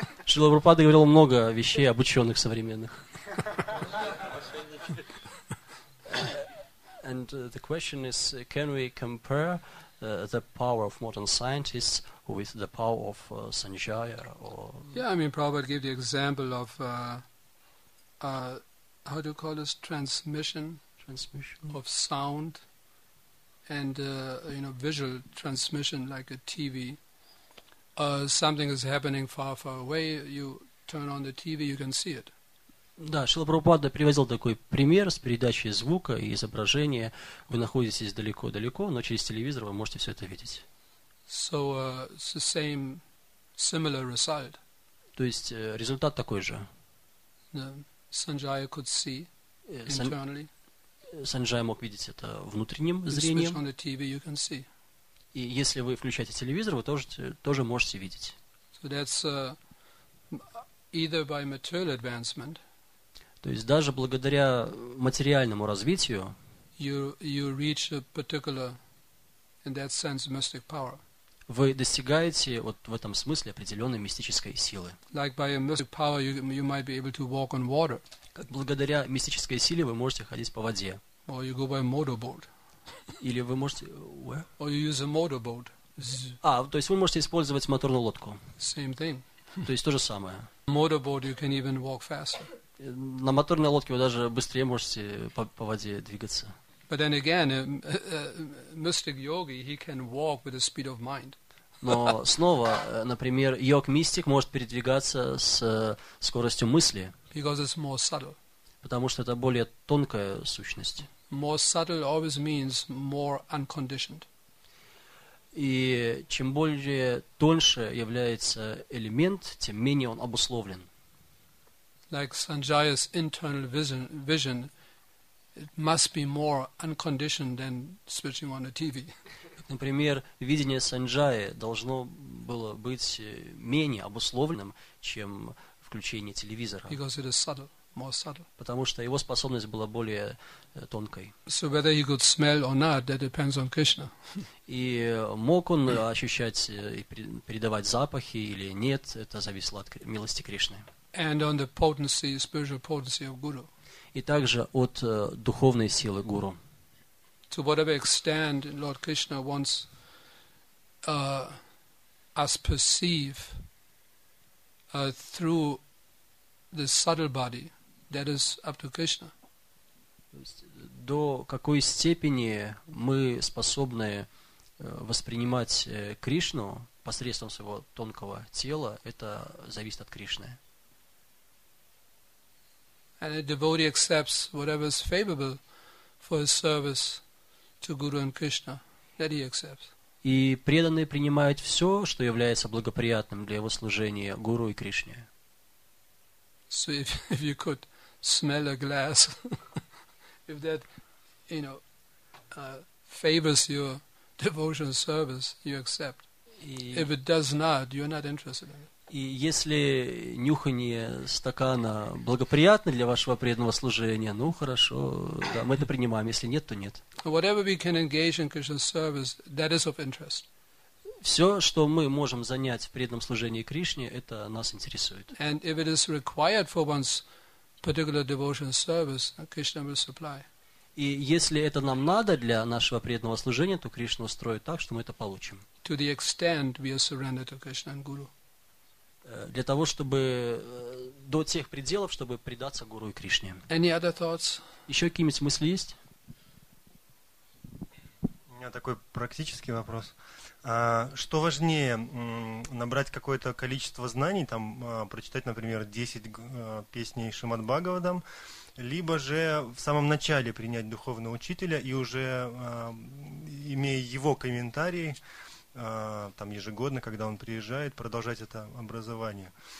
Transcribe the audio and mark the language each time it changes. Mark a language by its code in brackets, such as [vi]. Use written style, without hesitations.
[ru] Шрила Прабхупада говорил много вещей об ученых современных. [en] And the question is, can we compare the power of modern scientists with the power of Sanjaya? Or yeah, I mean, Prabhupada gave the example of, how do you call this, transmission of sound and, you know, visual transmission like a TV. Something is happening far, far away, you turn on the TV, you can see it. [ru] Да, Шрила Прабхупада привозил такой пример с передачей звука и изображения. Вы находитесь далеко-далеко, но через телевизор вы можете все это видеть. [en] So, it's the same, similar result. [ru] То есть результат такой же. [en] Санджая could see internally. [ru] Санджая мог видеть это внутренним зрением. [en] On the TV, you can see. [ru] И если вы включаете телевизор, вы тоже можете видеть. [en] So that's either by material advancement. [ru] То есть даже благодаря материальному развитию [en] you reach a particular, in that sense, mystic power. [ru] Вы достигаете вот в этом смысле определенной мистической силы. [en] Like by a mystic power you might be able to walk on water. [ru] Как благодаря мистической силе вы можете ходить по воде. [en] Or you go by motorboat. [ru] Или вы можете... [en] Where? Or you use a motorboat. [ru] А, то есть вы можете использовать моторную лодку. [en] Same thing. [ru] То есть то же самое. [en] Motorboat, you can even walk faster. [ru] На моторной лодке вы даже быстрее можете по воде двигаться. [en] But then again, a mystic yogi, he can walk with the speed of mind. [ru] Но снова, например, йог-мистик может передвигаться с скоростью мысли. [en] Because it's more subtle. [ru] Потому что это более тонкая сущность. [en] More subtle always means more unconditioned. [ru] И чем более тоньше является элемент, тем менее он обусловлен. [en] Like Sanjaya's internal vision, it must be more unconditioned than switching on a TV. [ru] Например, видение Санджаи должно было быть менее обусловленным, чем включение телевизора. [en] Because it is subtle, more subtle. [ru] Потому что его способность была более тонкой. [en] So whether he could smell or not, that depends on Krishna. [ru] И мог он ощущать и передавать запахи или нет, это зависело от милости Кришны. [en] And on the potency, spiritual potency of Guru. [ru] И также от духовной силы Гуру. [en] To whatever extent Lord Krishna wants us perceive through the subtle body, that is up to Krishna. [ru] До какой степени мы способны воспринимать Кришну посредством своего тонкого тела, это зависит от Кришны. [en] And a devotee accepts whatever is favorable for his service to Guru and Krishna, that he accepts. [ru] И преданный принимает все, что является благоприятным для его служения Гуру и Кришне. [en] So if you could smell a glass, if that, you know, favors your devotional service, you accept. If it does not, you're not interested in it. [ru] И если нюхание стакана благоприятно для вашего преданного служения, ну хорошо, да, мы это принимаем. Если нет, то нет. [en] Whatever we can engage in Krishna's service, that is of interest. [ru] Все, что мы можем занять в преданном служении Кришне, это нас интересует. [en] And if it is required for one's particular devotional service, Krishna will supply. [ru] И если это нам надо для нашего преданного служения, то Кришна устроит так, что мы это получим. [en] To the extent we are surrendered to Krishna and Guru. [ru] Для того, чтобы до тех пределов, чтобы предаться Гуру и Кришне. [en] Any other thoughts? [ru] Еще какие-нибудь мысли есть? У меня такой практический вопрос. Что важнее, набрать какое-то количество знаний, там, прочитать, например, 10 песней Шримад-Бхагаватам, либо же в самом начале принять духовного учителя и уже, имея его комментарии, там ежегодно, когда он приезжает, продолжать это образование.